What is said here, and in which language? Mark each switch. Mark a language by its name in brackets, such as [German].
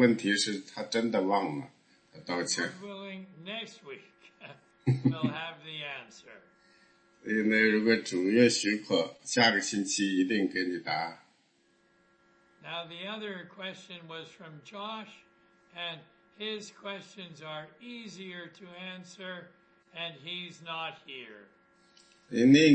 [Chinese] 所以他说他可以去抱怨天气太热了，但是这不是问题，他问题是他真的忘了，他道歉。 [English] God willing, next week we'll have the answer. [Chinese] 所以呢，如果主愿许可，下个星期一定给你答案。 [English] Now the other question was from Josh, and his questions are easier to answer, and he's not here.